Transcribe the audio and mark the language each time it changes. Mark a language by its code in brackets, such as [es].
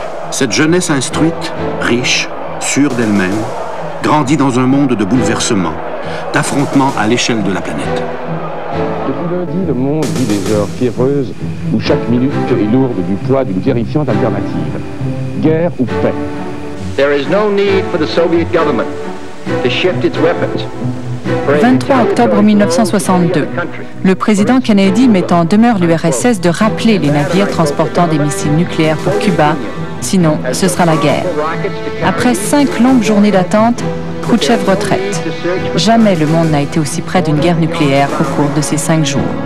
[fr] Cette jeunesse instruite, riche, sûre d'elle-même, grandit dans un monde de bouleversements, d'affrontements à l'échelle de la planète. Depuis lundi, le monde vit des heures fiévreuses où chaque minute est lourde du poids d'une terrifiante alternative. Guerre ou paix. [en] There is no need for the Soviet government to shift its weapons. [fr] 23 octobre 1962, le président Kennedy met en demeure l'URSS de rappeler les navires transportant des missiles nucléaires pour Cuba, sinon ce sera la guerre. Après 5 longues journées d'attente, Khrouchtchev retraite. Jamais le monde n'a été aussi près d'une guerre nucléaire au cours de ces 5 jours.